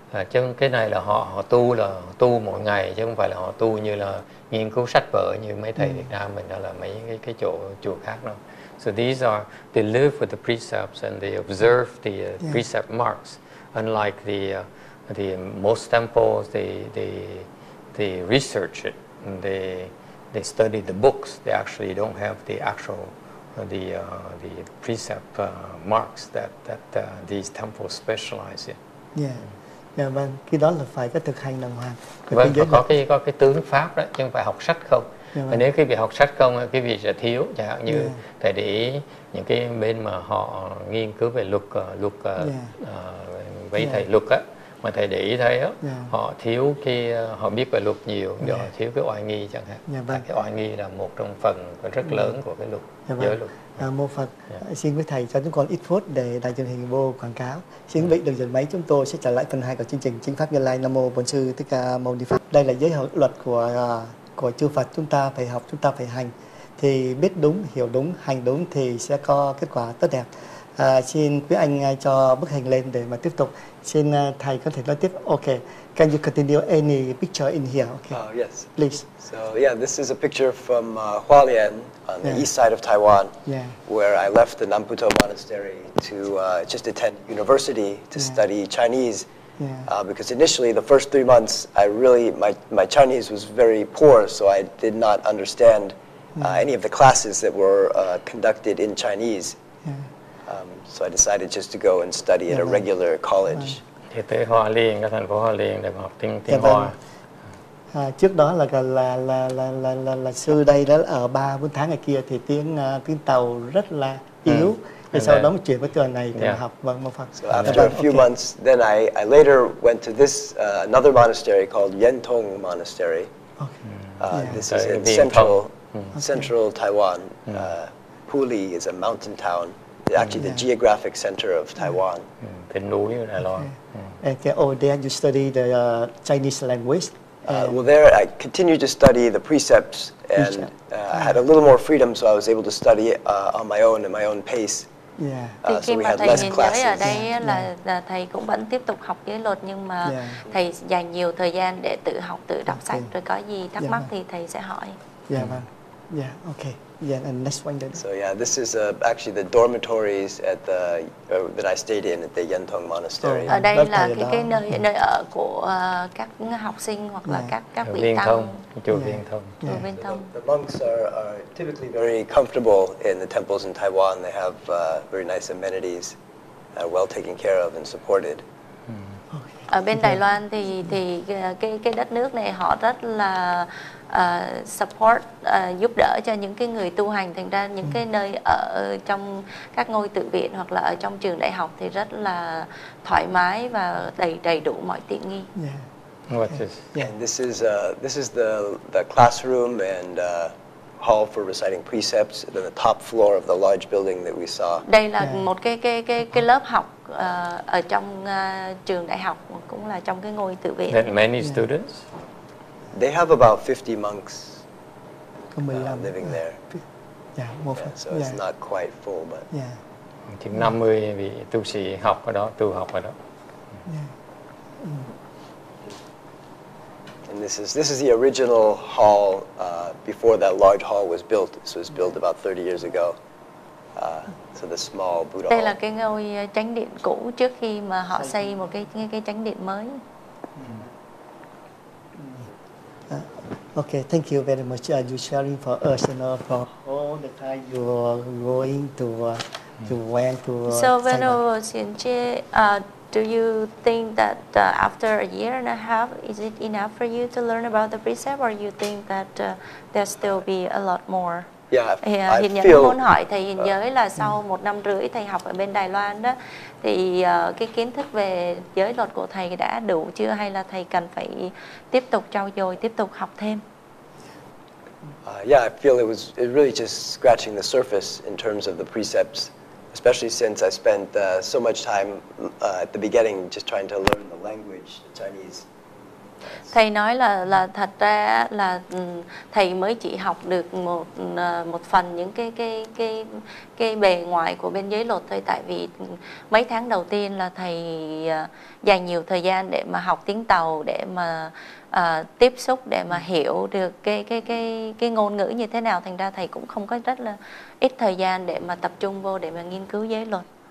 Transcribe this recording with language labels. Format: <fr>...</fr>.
<vi>Chứ cái này là họ tu là tu mỗi ngày, chứ không phải là họ tu như là nghiên cứu sách vở như mấy thầy Việt Nam mình hay là mấy cái chỗ chùa khác đâu.</vi> <en>So these are, they live with the precepts and they observe the precept marks. Unlike the most temples, they research it. And they study the books. They actually don't have the actual the precept marks that these temples specialize in.</en> <vi>Vâng, cái đó là phải có thực hành đàng hoàng. Vâng, có cái tướng pháp đó, chứ không phải học sách không. Và nếu quý vị học sách không, quý vị sẽ thiếu. Chẳng hạn như thầy để ý những cái bên mà họ nghiên cứu về luật với thầy luật á, mà thầy để ý thấy á, họ thiếu cái, họ biết về luật nhiều, họ thiếu cái oai nghi chẳng hạn. Cái oai nghi là một trong phần rất lớn của cái luật, giới luật. Mô Phật, xin quý thầy cho chúng con ít phút để đài truyền hình vô quảng cáo. Xin quý vị đừng dừng máy, chúng tôi sẽ trở lại phần 2 của chương trình Chính Pháp Như Lai. Nam Mô Bổn Sư Thích Ca Mâu Ni Phật. Đây là giới luật của chư Phật, chúng ta phải học, chúng ta phải hành. Thì biết đúng, hiểu đúng, hành đúng thì sẽ có kết quả tốt đẹp. Xin quý anh cho bức hình lên để mà tiếp tục. Xin thầy có thể nói tiếp.</vi> <en>Ok, can you continue any picture in here? Okay. Yes. Please. So yeah, this is a picture from Hualien on the east side of Taiwan, where I left the Namputo Monastery to just attend university to study Chinese. Because initially, the first 3 months, I really, my Chinese was very poor, so I did not understand any of the classes that were conducted in Chinese. So I decided just to go and study at a regular college.</en> <vi>Thì tới Hoa Liên, cái thành phố Hoa Liên để học tiếng Hoa. Trước đó là sư đây đó ở 3-4 tháng ngày kia thì tiếng Tàu rất là yếu. Thì sau đó chuyển với trường này thì học vâng một phần.</vi> <en>So after a few months, then I later went to this another monastery called Yentong Monastery. This is in central Taiwan. Puli is a mountain town. Actually, the geographic center of Taiwan.</en> <vi>Thì núi ở Đài Loan.</vi> <en>Then you study the Chinese language. Well, there I continued to study the precepts, and I had a little more freedom, so I was able to study on my own at my own pace.</en> <vi>Khi mà thầy nhìn thấy ở đây là thầy cũng vẫn tiếp tục học giới luật, nhưng mà thầy dành nhiều thời gian để tự học, tự đọc sách, rồi có gì thắc mắc thì thầy sẽ hỏi.</vi> <en>And next one then. So this is actually the dormitories at the that I stayed in at the Yentong Monastery.</en> <vi>Ở đây là cái nơi ở của các học sinh hoặc là các vị tăng. Chùa Viên Thông.</vi> <en>The monks are typically very comfortable in the temples in Taiwan. They have very nice amenities, are well taken care of and supported.</en> <vi>Ở bên Đài Loan thì cái đất nước này họ rất là support, giúp đỡ cho những cái người tu hành. Thành ra những cái nơi ở trong các ngôi tự viện hoặc là ở trong trường đại học thì rất là thoải mái và đầy đủ mọi tiện nghi.</vi> <en>This is the classroom and hall for reciting precepts at the top floor of the large building that we saw.</en> <vi>Đây là một cái lớp học ở trong trường đại học, cũng là trong cái ngôi tự viện.</vi> <en>That many students. They have about 50 monks living there. So it's not quite full, but</en> <vi>chỉ 50 vị tu sĩ học ở đó, tu học ở đó.</vi> <en>And this is the original hall before that large hall was built. This was built about 30 years ago. So the small Buddha.</en> <vi>Đây là cái ngôi chánh điện cũ trước khi mà họ xây một cái chánh điện mới.</vi> <en>Okay, thank you very much. You sharing for us, you know, for all the time you are going to went to. So Venerable Xianjie, do you think that after a year and a half, is it enough for you to learn about the precept, or you think that there still be a lot more? Yeah,</en> <vi>Hiền Nhẫn muốn hỏi thầy Hiền Giới là sau một năm rưỡi thầy học ở bên Đài Loan đó, thì cái kiến thức về giới luật của thầy đã đủ chưa, hay là thầy cần phải tiếp tục trau dồi, tiếp tục học thêm?</vi> <en>Yeah, I feel it really just scratching the surface in terms of the precepts, especially since I spent so much time at the beginning just trying to learn the language, the Chinese.</en> <vi>Thầy nói là thật ra là thầy mới chỉ học được một một phần những cái bề ngoại của bên giới luật thôi, tại vì mấy tháng đầu tiên là thầy dành nhiều thời gian để mà học tiếng Tàu, để mà tiếp xúc, để mà hiểu được cái ngôn ngữ như thế nào, thành ra thầy cũng không có rất là ít thời gian để mà tập trung vô để mà nghiên cứu giới luật.</vi>